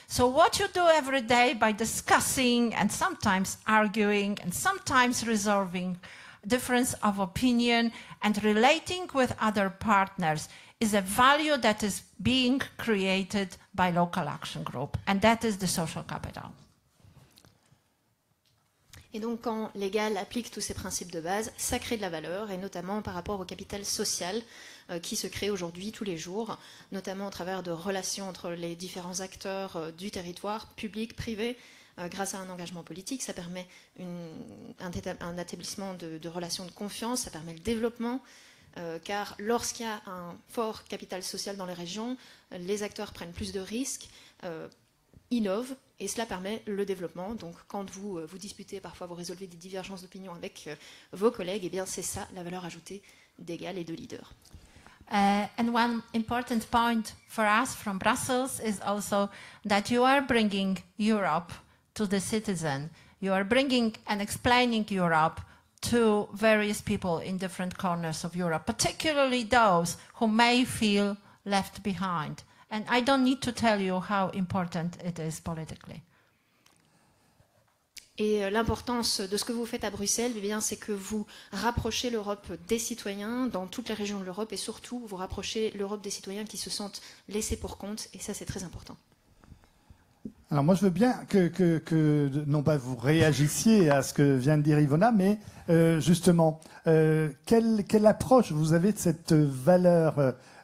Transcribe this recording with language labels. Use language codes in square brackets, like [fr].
[en] So what you do every day by discussing and sometimes arguing and sometimes resolving difference of opinion and relating with other partners is a value that is being created by local action group, and that is the social capital. [fr] Et donc, quand les GAL appliquent tous ces principes de base, ça crée de la valeur, et notamment par rapport au capital social qui se crée aujourd'hui, tous les jours, notamment au travers de relations entre les différents acteurs du territoire, public, privé, grâce à un engagement politique. Ça permet un établissement de relations de confiance, ça permet le développement. Car lorsqu'il y a un fort capital social dans les régions, les acteurs prennent plus de risques, innovent, et cela permet le développement. Donc quand vous vous disputez, parfois vous résolvez des divergences d'opinion avec vos collègues, et bien c'est ça la valeur ajoutée d'égal et de LEADER. [en] And one important point for us from Brussels is also that you are bringing Europe to the citizen. You are bringing and explaining Europe to various people in different corners of Europe, particularly those who may feel left behind. And I don't need to tell you how important it is politically. [fr] Et l'importance de ce que vous faites à Bruxelles, eh bien, c'est que vous rapprochez l'Europe des citoyens dans toutes les régions de l'Europe, et surtout vous rapprochez l'Europe des citoyens qui se sentent laissés pour compte, et ça c'est très important. Alors moi, je veux bien que non pas vous réagissiez à ce que vient de dire Ivona, mais justement, quelle approche vous avez de cette valeur